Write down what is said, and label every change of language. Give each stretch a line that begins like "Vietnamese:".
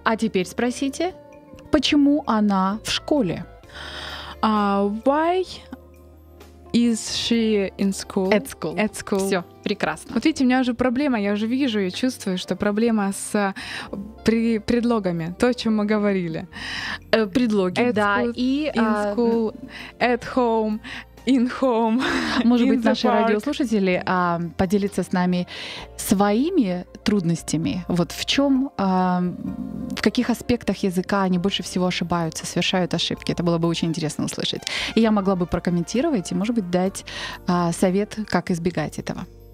Russian: А теперь спросите, почему она в школе?
English: Why is she in school? At school.
Russian: Все, прекрасно. Вот видите, у меня уже проблема, я уже вижу и чувствую, что проблема с предлогами, то, о чем мы говорили. Предлоги,
English: at
Russian: да.
English: School, и, in school, at home, in home.
Russian: Может
English: in
Russian: быть, наши
English: park.
Russian: Радиослушатели поделятся с нами своими трудностями. Вот в чем, в каких аспектах языка они больше всего ошибаются, совершают ошибки. Это было бы очень интересно услышать. И я могла бы прокомментировать и, может быть, дать совет, как избегать этого.